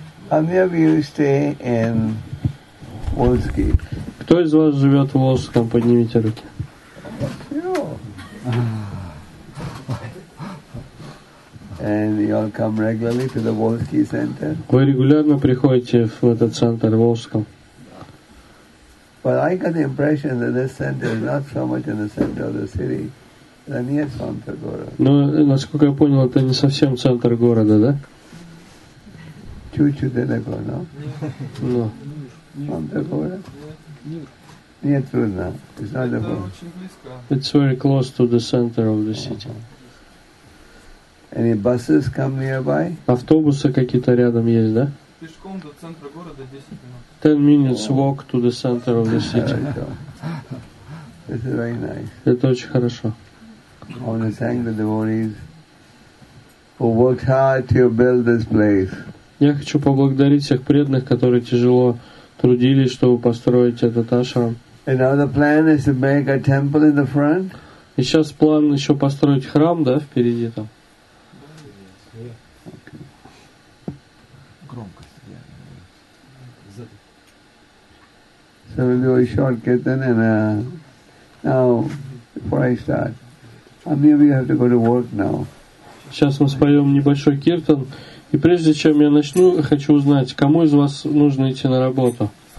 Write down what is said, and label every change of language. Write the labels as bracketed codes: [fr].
[en] And here you stay in Волжский. [ru] Кто из вас живет в Волжском? Поднимите руки. [en] And you all come regularly to the Волжский Center. [ru] Вы регулярно приходите в этот центр Волжском? [en] But I got the impression that this center is not so much in the center of the city, but near center города. [ru] Ну, насколько я понял, это не совсем центр города, да? Чуть-чуть далеко, но. Но. Центр города? Нет. Нет, трудно. [en] It's not the point. It's very close to the center of the city. Any buses come nearby? [ru] Автобусы какие-то рядом есть, да? Пешком до центра города 10 минут. [en] 10 minutes walk to the center of the city. This is very nice. [ru] Это очень хорошо. [en] I want to thank the devotees who worked hard to build this place. [ru] Я хочу поблагодарить всех преданных, которые тяжело трудились, чтобы построить этот ашрам. [en] And now the plan is to make a temple in the front. [ru] И сейчас план еще построить храм, да, впереди там. [en] So we'll do a short kirtan and now, before I start, maybe you have to go to work now. [ru] Сейчас мы споем небольшой киртан, и прежде чем я начну, хочу узнать, кому из вас нужно идти на работу?